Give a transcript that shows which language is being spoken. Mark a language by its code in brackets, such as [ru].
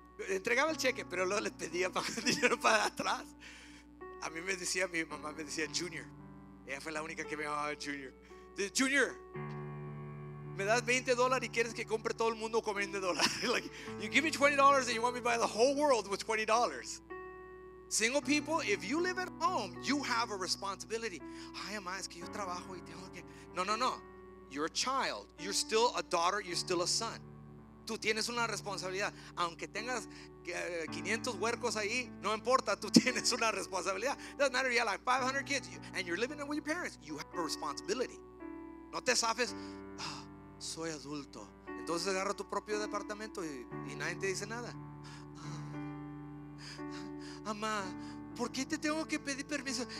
[es] Entregaba el cheque, pero luego le pedía dinero para atrás. A mí me decía, mi mamá me decía Junior. Ella fue la única que me llamaba Junior. Dice, Junior, me das $20 y quieres que compre todo el mundo con $20. [en] Like, you give me $20 and you want me to buy the whole world with $20. Single people, if you live at home, you have a responsibility. [es] Ay, mamá, es que yo trabajo y tengo que. [en] No. You're a child. You're still a daughter. You're still a son. [es] Tú tienes una responsabilidad. Aunque tengas 500 huercos ahí, no importa, tú tienes una responsabilidad. [en] Doesn't matter if you have like 500 kids and you're living with your parents, you have a responsibility. [es] No te safes, soy adulto. Entonces agarra tu propio departamento y nadie te dice nada. Mamá, ¿por qué te tengo que pedir permiso?